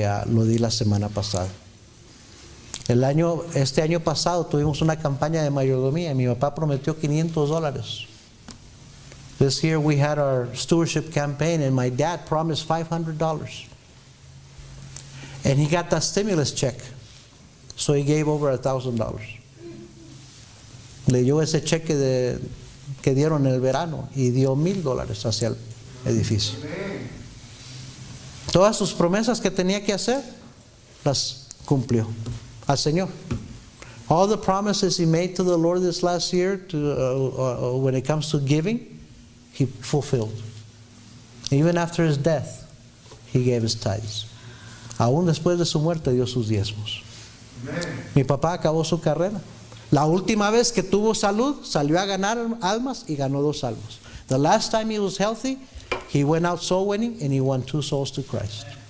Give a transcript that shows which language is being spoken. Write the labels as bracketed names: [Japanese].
[Spanish] Lo di la semana pasada. Este año pasado tuvimos una campaña de mayordomía, y mi papá prometió $500. [English] This year we had our stewardship campaign and my dad promised $500. And he got that stimulus check. So he gave over $1,000. [Spanish] Leyó ese cheque que dieron en el verano y dio $1,000 hacia el edificio. Todas sus promesas que tenía que hacer, las cumplió al Señor. [English] All the promises he made to the Lord this last year when it comes to giving, he fulfilled. Even after his death, he gave his tithes. [Spanish] Aún después de su muerte, dio sus diezmos. Amen. Mi papá acabó su carrera. La última vez que tuvo salud, salió a ganar almas y ganó 2 almas. [English] The last time he was healthy, he went out soul winning and he won 2 souls to Christ.